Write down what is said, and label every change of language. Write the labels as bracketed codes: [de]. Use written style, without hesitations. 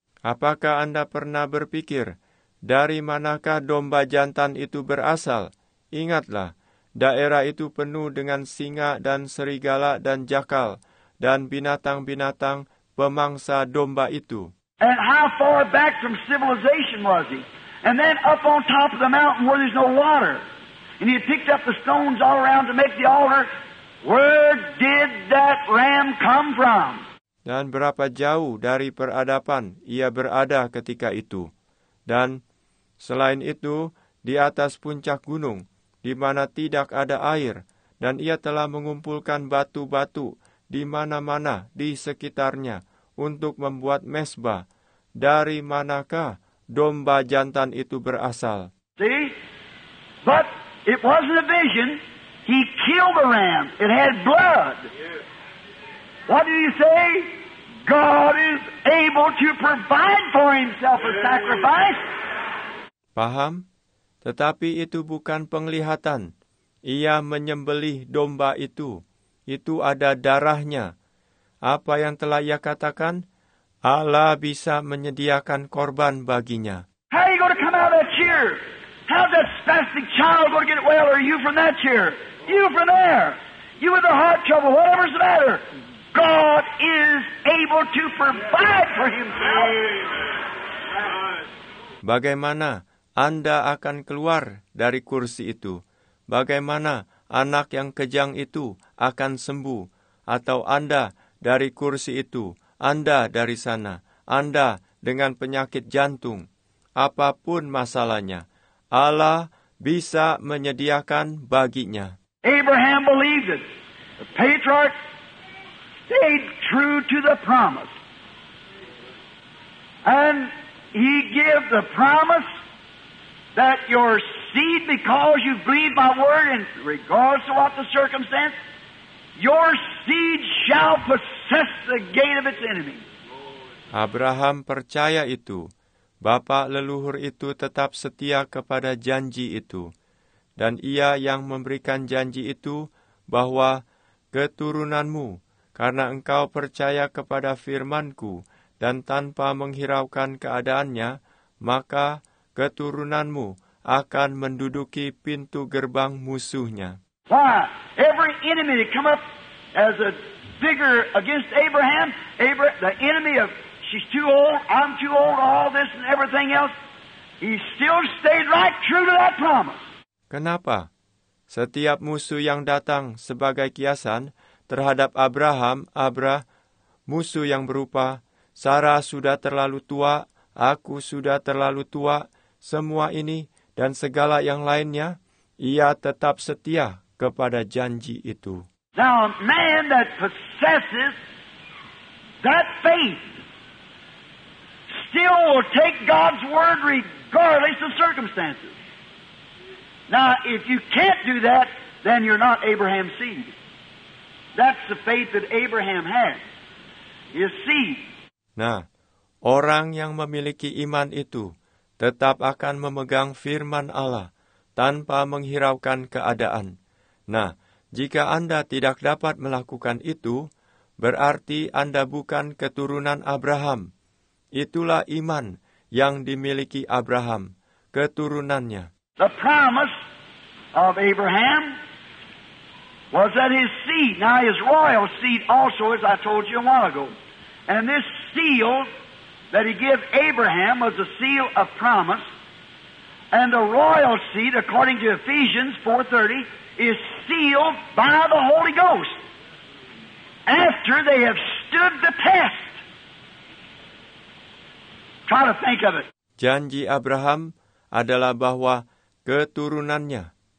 [id] Apakah Anda pernah berpikir, dari manakah domba jantan itu berasal? Ingatlah, daerah itu penuh dengan singa dan serigala dan jakal, dan binatang-binatang pemangsa domba itu. [en] And how far back from civilization was he? And then up on top of the mountain where there's no water. And he picked up the stones all around to make the altar. Where did that ram come from? Dan berapa jauh dari peradaban ia berada ketika itu. Dan selain itu, di atas puncak gunung, di mana tidak ada air, dan ia telah mengumpulkan batu-batu di mana-mana di sekitarnya untuk membuat mesbah. Dari manakah domba jantan itu berasal? See? But it wasn't a vision. He killed the ram. It had blood. What did he say? God is able to provide for himself a sacrifice. [id] Paham? Tetapi itu bukan penglihatan. Ia menyembelih domba itu. Itu ada darahnya. Apa yang telah ia katakan? Allah bisa menyediakan korban baginya. [en] How are you going to come out of that chair? How's that spastic child going to get well? Or are you from that chair? You from there. You with the heart trouble, whatever's the matter. God is able to provide for himself. [id] Bagaimana Anda akan keluar dari kursi itu? Bagaimana anak yang kejang itu akan sembuh? Atau Anda dari kursi itu. Anda dari sana. Anda dengan penyakit jantung. Apapun masalahnya, Allah bisa menyediakan baginya. [en] Abraham believed it. The patriarch stayed true to the promise. And he gave the promise that your seed, because you believe my word in regards to what the circumstance, your seed shall possess the gate of its enemy. [id] Abraham percaya itu. Bapak leluhur itu tetap setia kepada janji itu. Dan ia yang memberikan janji itu bahwa keturunanmu, karena engkau percaya kepada firmanku dan tanpa menghiraukan keadaannya, maka keturunanmu akan menduduki pintu gerbang musuhnya. [en] Why? Every enemy that come up as a bigger against Abraham, the enemy of she's too old, I'm too old, all this and everything else, he still stayed right true to that promise. [id] Kenapa? Setiap musuh yang datang sebagai kiasan terhadap Abraham, musuh yang berupa, Sarah sudah terlalu tua, aku sudah terlalu tua, semua ini dan segala yang lainnya, ia tetap setia kepada janji itu. [en] Now, a man that possesses that faith still will take God's word regardless of circumstances. Now, if you can't do that, then you're not Abraham's seed. That's the faith that Abraham had, his seed. [id] Nah, orang yang memiliki iman itu tetap akan memegang firman Allah tanpa menghiraukan keadaan. Nah, jika Anda tidak dapat melakukan itu, berarti Anda bukan keturunan Abraham. Itulah iman yang dimiliki Abraham, keturunannya. [en] The promise of Abraham was that his seed, now his royal seed also, as I told you a while ago. And this seal that he gave Abraham was a seal of promise. And the royal seed, according to Ephesians 4:30, is sealed by the Holy Ghost after they have stood the test. Try to think of it. [id] Janji Abraham adalah bahwa keturunannya.